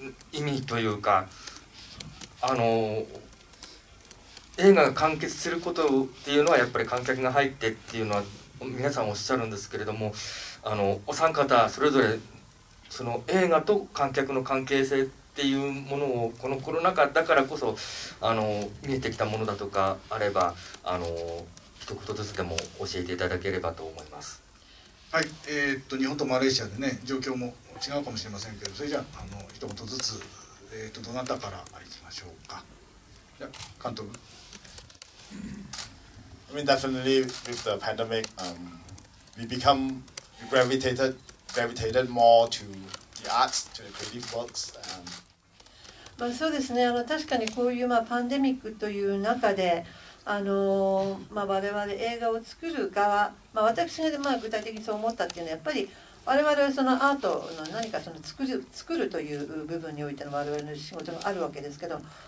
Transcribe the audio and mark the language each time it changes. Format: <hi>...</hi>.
<ja>意味というか、映画が完結することっていうのはやっぱり観客が入ってっていうのは皆さんおっしゃるんですけれども、お三方それぞれその映画と観客の関係性っていうものをこのコロナ禍だからこそ見えてきたものだとかあれば、一一言ずつでも教えていただければと思います。はい、日本とマレーシアでね状況も違うかもしれませんけど、それじゃ あの一言ずつ、どなたからいきましょうか。じゃ監督。</ja> <en>I mean, definitely with the pandemic, we become gravitated more to the arts, to the creative works.</en> <ja>まあそうですね。確かにこういう、まあ、パンデミックという中で、まあ、我々映画を作る側、まあ、私が、まあ、具体的にそう思ったっていうのは、やっぱり我々はそのアートの何かその作るという部分においての我々の仕事があるわけですけど、</ja>